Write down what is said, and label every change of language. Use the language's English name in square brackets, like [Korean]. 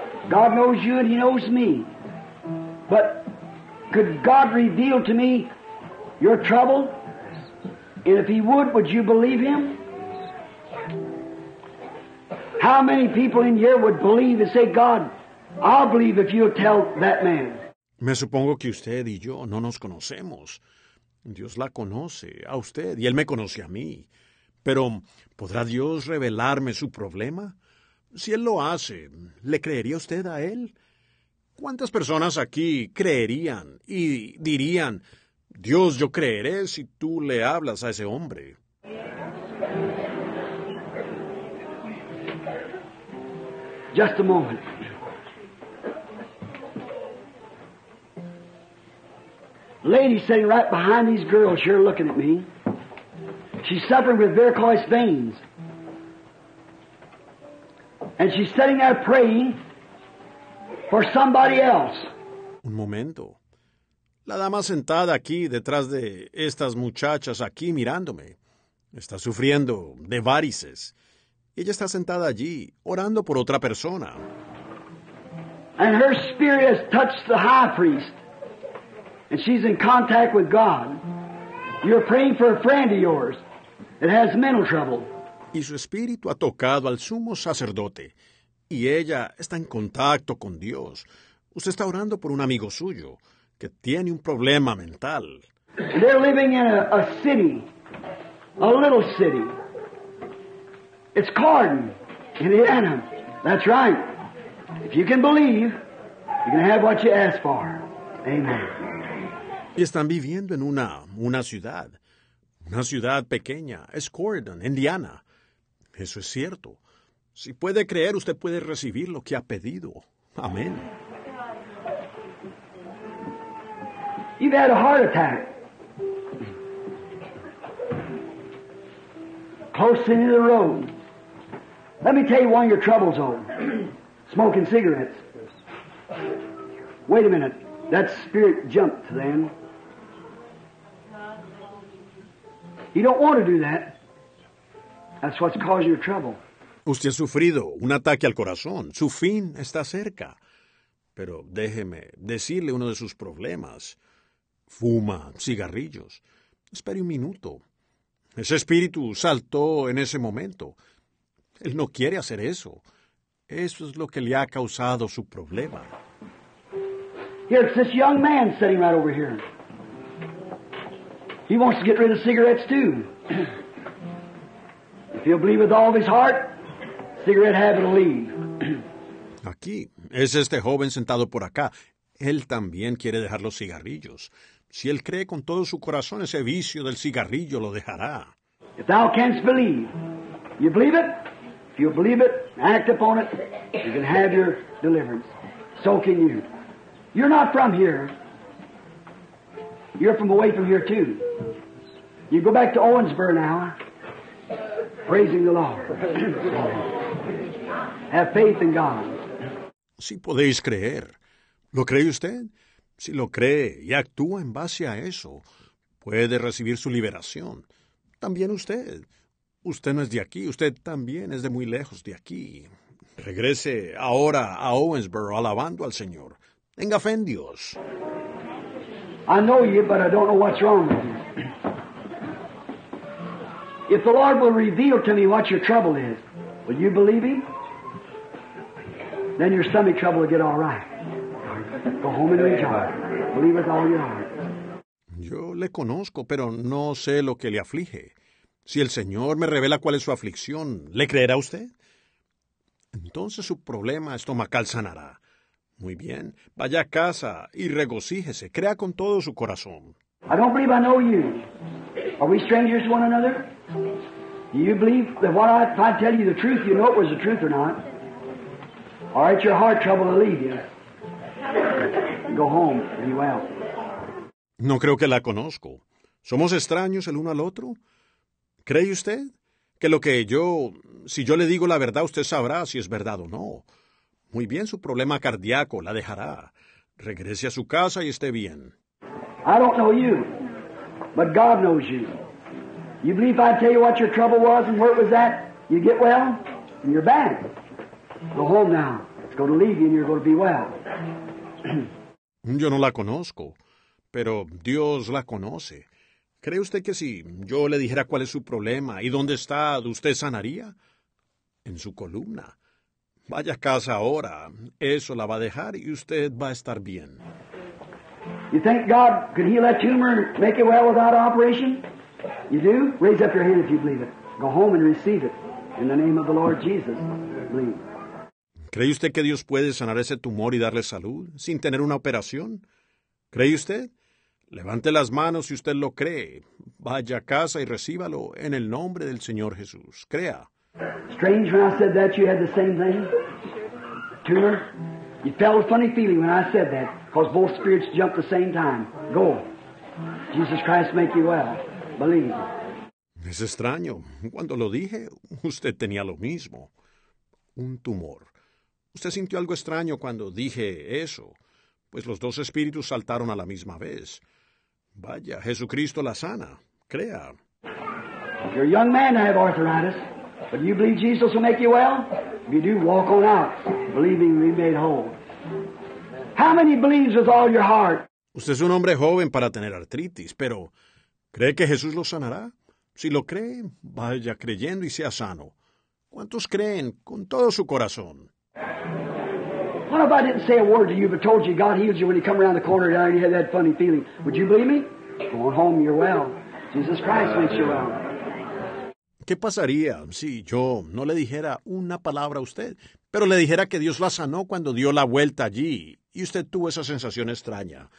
[English] God knows you and He knows me. But could God reveal to me your trouble? And if He would you believe Him? How many people in here would believe and say, God, I'll believe if you'll tell that man? [Spanish] Me supongo que usted y yo no nos conocemos. Dios la conoce a usted y Él me conoce a mí. Pero, ¿podrá Dios revelarme su problema? Si Él lo hace, ¿le creería usted a Él? ¿Cuántas personas aquí creerían y dirían, Dios, yo creeré si tú le hablas a ese hombre? [English] Just a moment. Lady sitting right behind these girls here looking at me. She's suffering with varicose veins. And she's sitting there praying for somebody else. [Spanish] Un momento. La dama sentada aquí detrás de estas muchachas aquí mirándome está sufriendo de varices. Ella está sentada allí orando por otra persona. [English] And her spirit has touched the high priest. And she's in contact with God. You're praying for a friend of yours that has mental trouble. [Spanish] Y su espíritu ha tocado al sumo sacerdote. Y ella está en contacto con Dios. Usted está orando por un amigo suyo que tiene un problema mental. [English] And they're living in a city, a little city. It's Cardin, Indiana. That's right. If you can believe, you can have what you ask for. Amen. [Spanish] Y están viviendo en una ciudad pequeña, es Cordon, Indiana. Eso es cierto. Si puede creer, usted puede recibir lo que ha pedido. Amén. [English] You've had a heart attack. Close to the road. Let me tell you one of your troubles, old. Smoking cigarettes. Wait a minute. That spirit jumped then. You don't want to do that. That's what's causing your trouble. [Spanish] Usted ha sufrido un ataque al corazón. Su fin está cerca. Pero déjeme decirle uno de sus problemas. Fuma cigarrillos. Espere un minuto. Ese espíritu saltó en ese momento. Él no quiere hacer eso. Eso es lo que le ha causado su problema. [English] Here's this young man sitting right over here. He wants to get rid of cigarettes, too. If he'll believe with all of his heart, cigarette habit will leave. [Spanish] Aquí es este joven sentado por acá. Él también quiere dejar los cigarrillos. Si él cree con todo su corazón, ese vicio del cigarrillo lo dejará. [English] If thou canst believe, you believe it. If you believe it, act upon it, you can have your deliverance. So can you. You're not from here. You're from away from here, too. You go back to Owensboro now. Praising the Lord. Have faith in God. [Spanish] Si podéis creer. ¿Lo cree usted? Si lo cree y actúa en base a eso, puede recibir su liberación. También usted. Usted no es de aquí. Usted también es de muy lejos de aquí. Regrese ahora a Owensboro alabando al Señor. Tenga fe en Dios. [English] I know you, but I don't know what's wrong with you. If the Lord will reveal to me what your trouble is, will you believe Him? Then your stomach trouble will get all right. Go home and rejoice. Believe with all your heart. [Spanish] Yo le conozco, pero no sé lo que le aflige. Si el Señor me revela cuál es su aflicción, ¿le creerá usted? Entonces su problema estomacal sanará. Muy bien, vaya a casa y regocíjese. Crea con todo su corazón. [English] I don't believe I know you. Are we strangers to one another? Do you believe that what I tell you the truth, you know it was the truth or not? Or it's your heart trouble to leave you. Go home and be well. [Spanish] No creo que la conozco. ¿Somos extraños el uno al otro? ¿Cree usted que lo que yo, si yo le digo la verdad, usted sabrá si es verdad o no? Muy bien, su problema cardíaco la dejará. Regrese a su casa y esté bien. [English] I don't know you, but God knows you. You believe I tell you what your trouble was and where it was at, you get well, and you're back. Go home now. It's going to leave you and you're going to be well. [Spanish] Yo no la conozco, pero Dios la conoce. ¿Cree usted que si yo le dijera cuál es su problema y dónde está, usted sanaría? En su columna. Vaya a casa ahora. Eso la va a dejar y usted va a estar bien. [English] You think God could heal that tumor and make it well without operation? You do? Raise up your hand if you believe it. Go home and receive it. In the name of the Lord Jesus, believe. [Spanish] ¿Cree usted que Dios puede sanar ese tumor y darle salud sin tener una operación? ¿Cree usted? Levante las manos si usted lo cree. Vaya a casa y recíbalo en el nombre del Señor Jesús. Crea. [English] Strange when I said that you had the same thing. Tumor. You felt a funny feeling when I said that. Because both spirits jump at the same time. Go. Jesus Christ make you well. Believe. [Spanish] Es extraño. Cuando lo dije, usted tenía lo mismo. Un tumor. Usted sintió algo extraño cuando dije eso. Pues los dos espíritus saltaron a la misma vez. Vaya, Jesucristo la sana. Crea. [English] You're a young man to have arthritis. But you believe Jesus will make you well? If you do, walk on out. Believing we made whole. How many believes with all your heart? [Spanish] Usted es un hombre joven para tener artritis, pero ¿cree que Jesús lo sanará? Si lo cree, vaya creyendo y sea sano. ¿Cuántos creen con todo su corazón? [English] What if I didn't say a word to you but told you God heals you when you come around the corner and you had that funny feeling? Would you believe me? Go on home, you're well. Jesus Christ makes you well. [Spanish] ¿Qué pasaría si yo no le dijera una palabra a usted, pero le dijera que Dios la sanó cuando dio la vuelta allí y usted tuvo esa sensación extraña?